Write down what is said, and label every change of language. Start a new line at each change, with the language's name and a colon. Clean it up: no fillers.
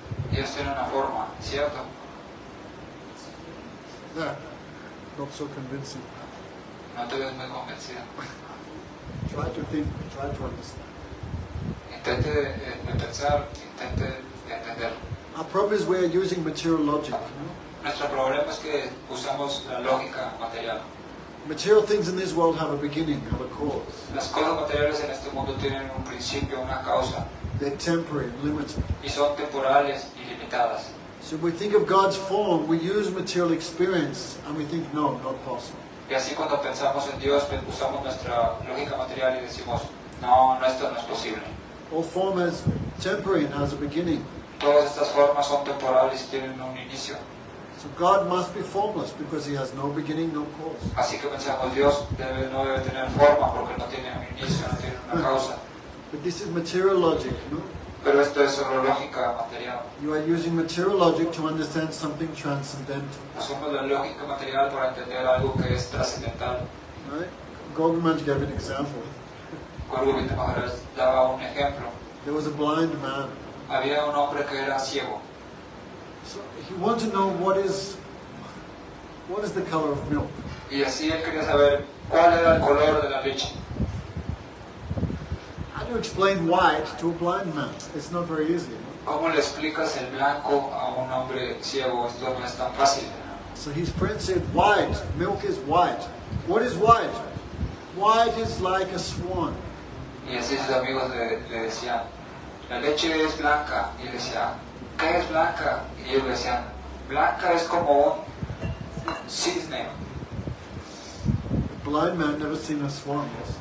Spanish: Dios tiene una forma, ¿cierto?
English: Yeah, not so convincing.
Spanish: No te ves muy convencido.
English: Try to think, try to understand.
Spanish: Intente de pensar, intente de entender.
English: Our problem is we are using material logic.
Spanish: Nuestro problema es que usamos la lógica material.
English: Material things in this world have a beginning, have a cause.
Spanish: Las cosas materiales en este mundo tienen un principio, una causa.
English: They're temporary, limited.
Spanish: Y son temporales y limitadas.
English: So we think of God's form, we use material experience, and we think, no, not possible.
Spanish: Y así cuando pensamos en Dios, usamos nuestra lógica material y decimos, no, no, esto no es posible.
English: All form is temporary and has a beginning.
Spanish: Todas estas formas son temporales y tienen un inicio.
English: So God must be formless because he has no beginning, no cause.
Spanish: Así que pensamos, Dios no debe tener forma porque no tiene un inicio, no tiene una causa.
English: But this is material logic, no?
Spanish: Pero esto es solo lógica material.
English: You are using material logic to understand something transcendental.
Spanish: Usamos la lógica material para entender algo que es trascendental.
English: Right? Gauri Maharaj gave an example.
Spanish: Gauri Maharaj daba un ejemplo.
English: There was a blind man.
Spanish: Había un hombre que era ciego.
English: So he wanted to know what is the color of milk.
Spanish: Y así él quería saber cuál era el color de la leche.
English: How do you explain white to a blind man? It's not very easy.
Spanish: ¿Cómo le explicas el blanco a un hombre ciego? Esto no es tan fácil.
English: So his friend said, white, milk is white. What is white? White is like a swan.
Spanish: Y así sus amigos le decían, la leche es blanca. Y él decía, ¿qué es blanca? Y ellos le decían, blanca es como un cisne.
English: Blind man never seen a swan. Yes.